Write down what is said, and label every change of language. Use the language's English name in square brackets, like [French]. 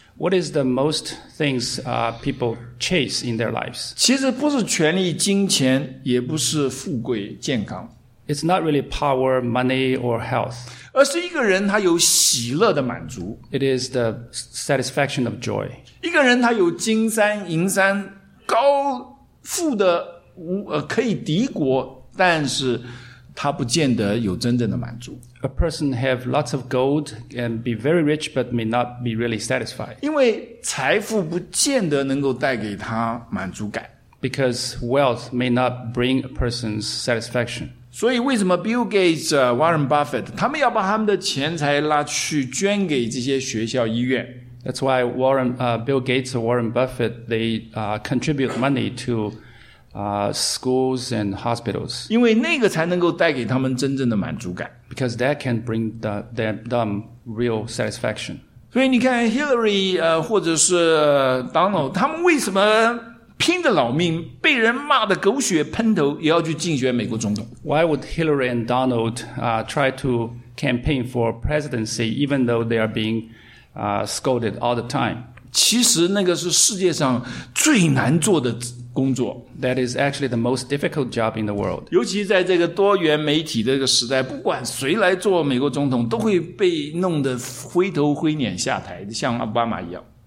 [English] What is the most things people chase in their lives? [Chinese] 其实不是权力、金钱，也不是富贵、健康。 [English] It's not really power, money, or health. [Chinese] 而是一个人他有喜乐的满足。 [English] It is the satisfaction of joy. [Chinese] 一个人他有金山银山，高富的可以敌国，但是他不见得有真正的满足。 [English] A person have lots of gold and be very rich but may not be really satisfied. [Chinese] 因为财富不见得能够带给他满足感。 [English] Because wealth may not bring a person's satisfaction. [Chinese] 所以为什么 Bill Gates, Warren Buffett, 他们要把他们的钱财拉去捐给这些学校医院。 [English] That's why Warren, Bill Gates or Warren Buffett, they, contribute money to, schools and hospitals. [Chinese] 因为那个才能够带给他们真正的满足感。 [English] Because that can bring them real satisfaction. [Chinese] 所以你看 Hillary, 或者是 Donald, 他们为什么拼着老命被人骂得狗血喷头也要去竞选美国总统。 [English] Why would Hillary and Donald, try to campaign for presidency even though they are being, scolded all the time? [Chinese] 其实那个是世界上最难做的工作。 [English] That is actually the most difficult job in the world. [Chinese] 尤其在这个多元媒体的这个时代，不管谁来做美国总统都会被弄得灰头灰脸下台，像奥巴马一样。